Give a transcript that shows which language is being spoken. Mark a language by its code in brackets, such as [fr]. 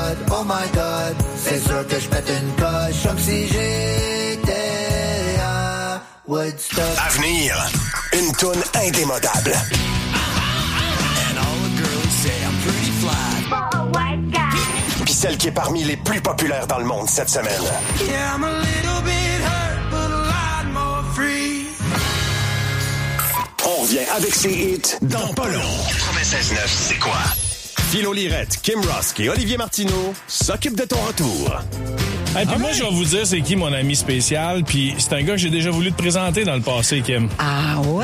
[en] Oh my god, [fr] c'est sûr que je pète une coche comme si j'étais à Woodstock. Avenir, une toune indémodable. [en] And all the girls say I'm pretty fly. Oh, white guy. [fr] Pis celle qui est parmi les plus populaires dans le monde cette semaine. [en] Yeah, I'm a little bit hurt, but a lot more free. [fr] On revient avec ses hits dans pas long. 96.9, c'est quoi? Philo Lirette, Kim Rusk et Olivier Martineau s'occupent de ton retour. Hey, puis moi, je vais vous dire c'est qui mon ami spécial. Puis c'est un gars que j'ai déjà voulu te présenter dans le passé, Kim. Ah ouais?